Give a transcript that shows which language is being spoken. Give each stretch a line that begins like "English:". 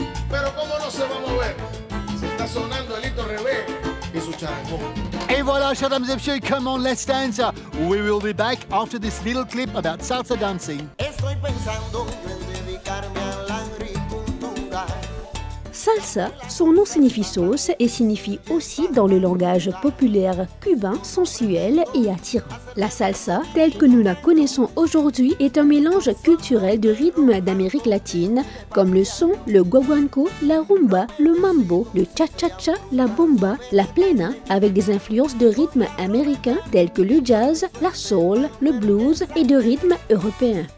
Spanish: Pero como no se va a mover, se está sonando el hito revés y su charango.
French: Et voilà, chers dames et messieurs,
English: come on, let's dance. We will be back after this little clip about salsa dancing.
Spanish: Estoy pensando en dedicarme a la agricultura.
French: Salsa, son nom signifie sauce et signifie aussi dans le langage populaire cubain sensuel et attirant. La salsa, telle que nous la connaissons aujourd'hui, est un mélange culturel de rythmes d'Amérique latine, comme le son, le guaguanco, la rumba, le mambo, le cha-cha-cha, la bomba, la plena, avec des influences de rythmes américains tels que le jazz, la soul, le blues et de rythmes européens.